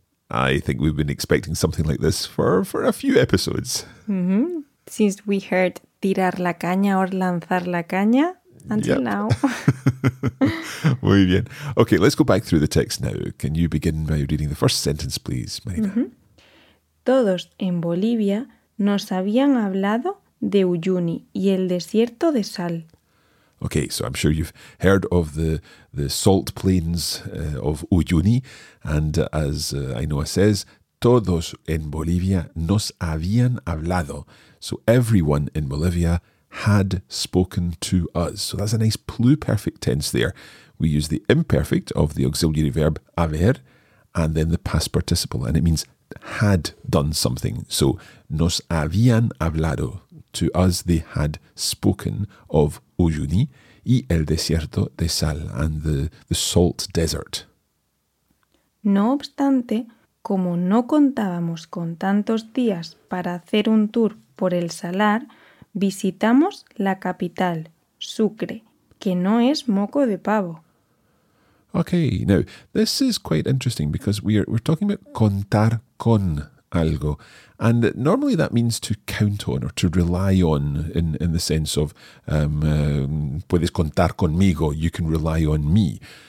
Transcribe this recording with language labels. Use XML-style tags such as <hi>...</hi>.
<en>I think we've been expecting something like this for a few episodes. Mm-hmm. Since we heard</en> <es>tirar la caña</es> <en>or</en> <es>lanzar la caña.</es> <en>Until now.</en> <es>Muy bien.</es> <en>Okay, let's go back through the text now. Can you begin by reading the first sentence, please, Marina? Mm-hmm.</en> <es>Todos en Bolivia nos habían hablado de Uyuni y el desierto de sal.</es> <en>Okay, so I'm sure you've heard of the salt plains of Uyuni. And as Ainhoa says,</en> <es>todos en Bolivia nos habían hablado.</es> <en>So everyone in Bolivia had spoken to us. So that's a nice pluperfect tense there. We use the imperfect of the auxiliary verb haber and then the past participle, and it means had done something. So</en> <es>nos habían hablado.</es> <en>To us, they had spoken of Uyuni</en> <es>y el desierto de sal</es> <en>and the salt desert.</en> <es>No obstante, Como no contábamos con tantos días para hacer un tour por el salar, visitamos la capital, Sucre, que no es moco de pavo.</es> <en>Okay, now this is quite interesting because we're talking about</en> <es>contar con algo,</es> <en>and normally that means to count on or to rely on in the sense of</en> <es>puedes contar conmigo,</es> <en>you can rely on me.</en>